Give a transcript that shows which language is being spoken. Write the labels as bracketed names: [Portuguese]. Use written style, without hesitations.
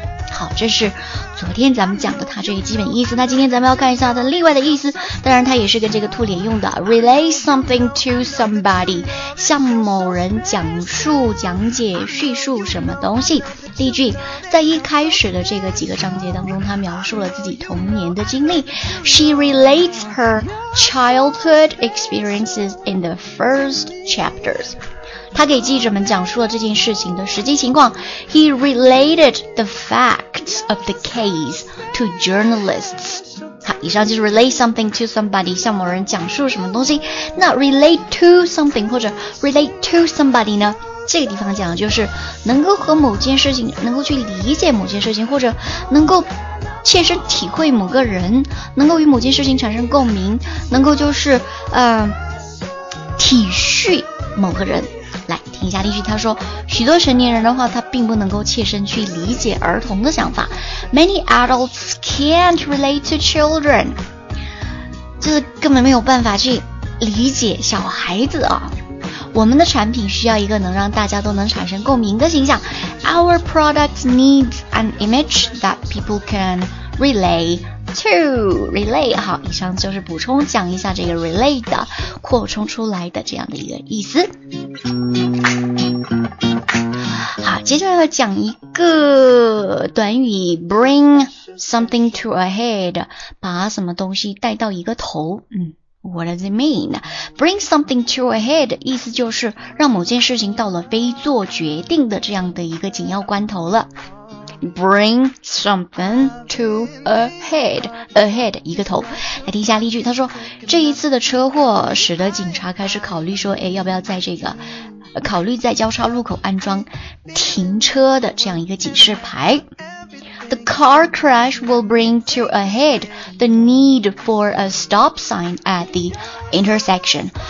[Chinese] 好，这是昨天咱们讲的它这一基本意思，那今天咱们要看一下它另外的意思，当然它也是跟这个兔脸用的 [English] Relate something to somebody, [Chinese] 向某人讲述讲解叙述什么东西。例句，在一开始的这个几个章节当中，它描述了自己童年的经历。 [English] She relates her childhood experiences in the first chapters. [Chinese] 他给记者们讲述了这件事情的实际情况。 [English] He related the facts of the case to journalists. [Chinese] 好，以上就是 [English] relate something to somebody, [Chinese] 向某人讲述什么东西。那 [English] relate to something [Chinese] 或者 [English] relate to somebody [Chinese] 呢，这个地方讲的就是能够和某件事情，能够去理解某件事情，或者能够切身体会某个人，能够与某件事情产生共鸣，能够就是体恤某个人。来听一下例句，他说许多成年人的话他并不能够切身去理解儿童的想法。 [English] Many adults can't relate to children, [Chinese] 就是根本没有办法去理解小孩子啊。我们的产品需要一个能让大家都能产生共鸣的形象。 [English] Our product needs an image that people can relate to. [Chinese] Relate, 好，以上就是补充讲一下这个 relate 的扩充出来的这样的一个意思。好，接下来要讲一个短语 [English] bring something to a head, [Chinese] 把什么东西带到一个头。 [English] What does it mean? Bring something to a head, [Chinese] 意思就是让某件事情到了非做决定的这样的一个紧要关头了。 [English] Bring something to a head, ahead, [Chinese] 一个头。来听一下例句，他说这一次的车祸使得警察开始考虑说，哎，要不要在这个考虑在交叉路口安装停车的这样一个警示牌。 [English] The car crash will bring to a head the need for a stop sign at the intersection.